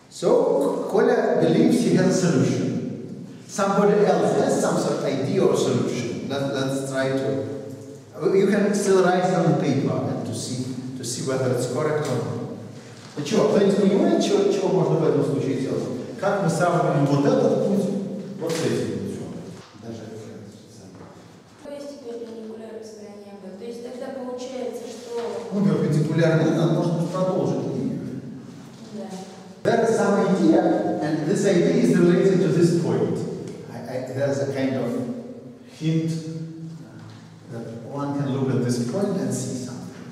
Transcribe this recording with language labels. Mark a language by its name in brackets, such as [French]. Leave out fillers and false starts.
[English] solution. Somebody else has some sort of idea or solution. Let's try to. You can still write it on the paper and to see whether it's correct or not. [Russian] Ну что, вы понимаете, чего можно в этом случае сделать? Как мы сравниваем вот этот путь, вот с этим путем? Даже это самое. То есть теперь манипулярность на небо. То есть тогда получается, что... Ну, перпендикулярно, нам нужно продолжить. Да. [English] That's some idea, and this idea is related to this point. There's a kind of hint that one can look at this point and see something.